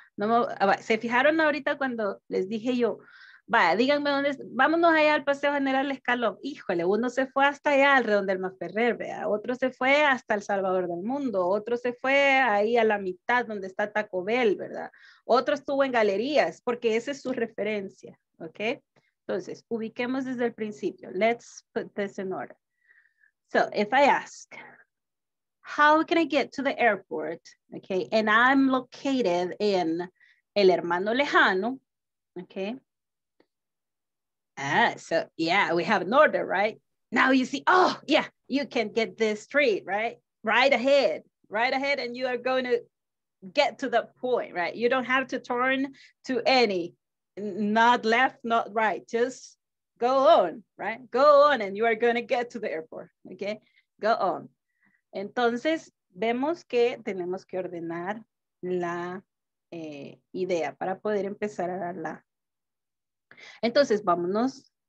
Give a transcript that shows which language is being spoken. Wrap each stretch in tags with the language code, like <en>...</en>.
<es>No me, se fijaron ahorita cuando les dije yo, vaya, díganme dónde, vámonos allá al Paseo General Escalón. Híjole, uno se fue hasta allá alrededor del Maferrer, vea, otro se fue hasta El Salvador del Mundo, otro se fue ahí a la mitad donde está Taco Bell, ¿verdad? Otro estuvo en galerías, porque esa es su referencia, ¿ok? Entonces, ubiquemos desde el principio.</es> <en>Let's put this in order. So, if I ask, how can I get to the airport? Okay, and I'm located in El Hermano Lejano. Okay. So yeah, we have an order, right? Now you see, oh yeah, you can get this street, right? Right ahead and you are going to get to the point, right? You don't have to turn to any, not left, not right. Just go on, right? Go on and you are going to get to the airport, okay? Go on.</en> <es>Entonces, vemos que tenemos que ordenar la idea para poder empezar a darla. Entonces, vámonos</es>